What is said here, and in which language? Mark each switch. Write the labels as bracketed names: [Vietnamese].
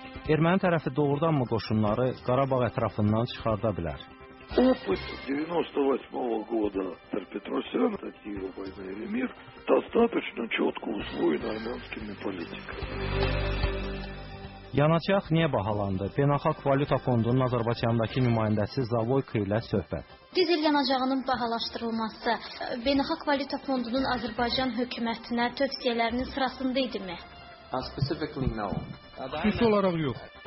[Azerbaijani] Erməni tərəfi doğrudan mı qoşunları Qarabağ ətrafından çıxarda bilər? [Russian] Опыт 98-го года Петросян, Татьева, Война или Мир достаточно четко усвоен армянскими политиками. [Azerbaijani] Yanacaq niyə bahalandı? Beynəlxalq Valyuta Fondunun Azərbaycandakı nümayəndəsi Zavoyko ilə söhbət. Dizel yanacağının bahalaşdırılması Beynəlxalq Valyuta Fondunun Azərbaycan hökumətinə tövsiyələrinin sırasında idimi? [English] Specifically no. [Azerbaijani] Xüsus olaraq yox.